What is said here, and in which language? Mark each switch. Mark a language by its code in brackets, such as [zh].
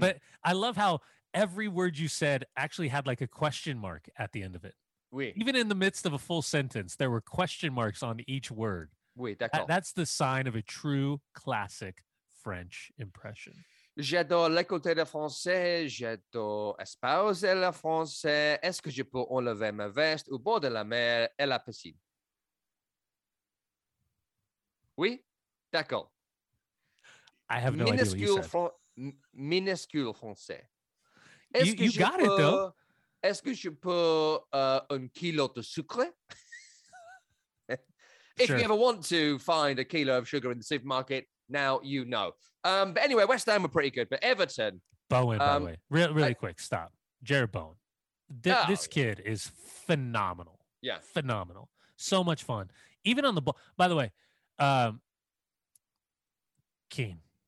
[en] But I love how every word you said actually had like a question mark at the end of it. [fr] Oui. [en] Even in the midst of a full sentence, there were question marks on each word. [fr] Oui, d'accord. [en] That's the sign of a true classic French impression. [fr] J'adore l'écouter le français. J'adore espouser le français. Est-ce que je peux enlever ma veste au bord de la mer et la piscine? Oui, d'accord. [en] I have no minuscule idea what you said. [fr] Minuscule français. [en] You got it, though. [fr] Est-ce que je peux un kilo de sucre? [en] If sure. You ever want to find a kilo of sugar in the supermarket, now you know. But anyway, West Ham were pretty good. But Everton... Bowen, by the way. Really quick, stop. Jared Bowen. This kid is phenomenal. Yeah. Phenomenal. So much fun. Even on the ball... By the way, Keane.